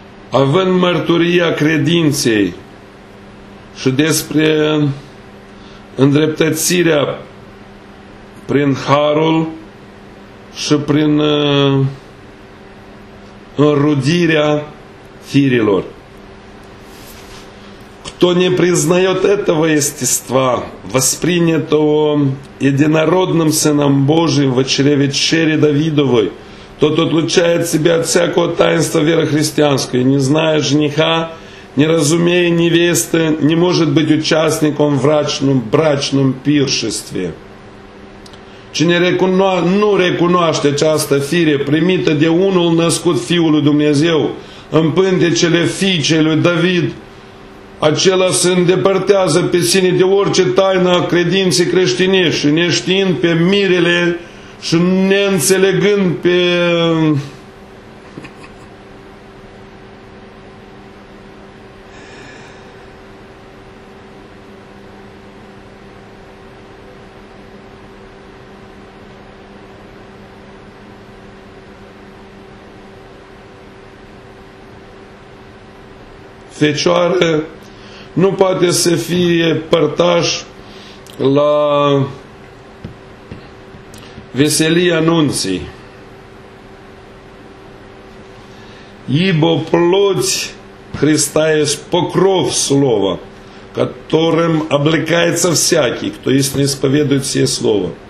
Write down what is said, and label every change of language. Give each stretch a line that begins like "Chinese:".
Romanian: Având mărturia credinței și despre îndreptățirea prin harul și prin înrudirea firilor.
Russian: Кто не признает этого естества, воспринятого единородным сыном Божиим в чреве чери Давидовой, тот отлучает себя от всякого таинства веры христианской, не зная жениха, не разумея невесты, не может быть участником в брачном пиршестве.
Romanian: Cine nu recunoaște această fire primită de unul născut Fiul lui Dumnezeu în pântecele fiicei lui David, acela se îndepărtează pe sine de orice taină a credinței creștine și neștiind pe mirele și neînțelegând pe Fecioară nu poate să fie părtaș la veselia nunții.
Russian: Ибо плоть Христа есть покров слова, которым облекается всякий, кто истинно исповедует сие слово.